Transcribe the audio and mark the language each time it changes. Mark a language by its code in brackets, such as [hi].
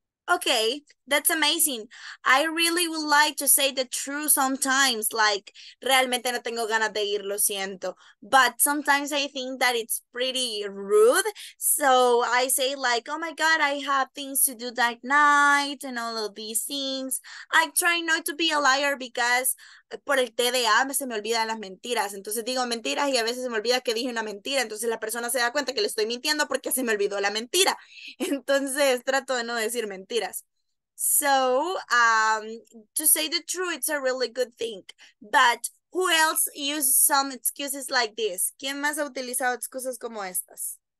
[en] Okay, that's amazing. I really would like to say the truth sometimes, like, [es] realmente no tengo ganas de ir, lo siento. [en] But sometimes I think that it's pretty rude. So I say like, oh my God, I have things to do that night and all of these things. I try not to be a liar because [es] por el TDA se me olvidan las mentiras. Entonces digo mentiras y a veces se me olvida que dije una mentira. Entonces la persona se da cuenta que le estoy mintiendo porque se me olvidó la mentira. Entonces trato de no decir mentiras. [en] So, to say the truth, it's a really good thing. But who else uses some excuses like this? [es] ¿Quién más ha utilizado excusas como estas?